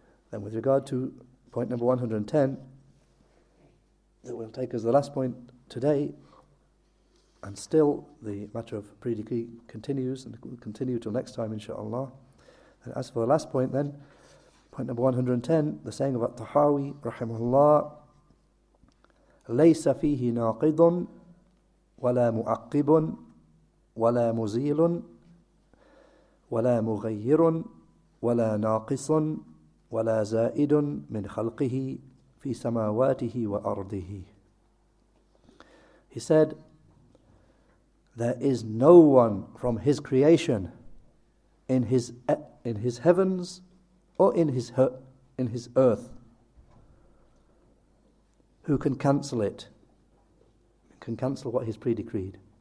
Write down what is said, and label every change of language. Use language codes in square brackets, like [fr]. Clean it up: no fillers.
[en] Then with regard to point number 110, that will take as the last point today, and still the matter of pre-decree continues and will continue till next time, inshaAllah. [ar] And as for the last point then, point number 110, the saying of At-Tahawi, rahimahullah, لَيْسَ فِيهِ نَاقِضٌ وَلَا مُعَقِّبٌ وَلَا مُزِيلٌ وَلَا مُغَيِّرٌ وَلَا نَاقِصٌ وَلَا زَائِدٌ مِنْ خَلْقِهِ فِي سَمَاوَاتِهِ وَأَرْضِهِ. [en] He said, there is no one from His creation in His heavens or in His earth who can cancel it, can cancel what He's pre-decreed.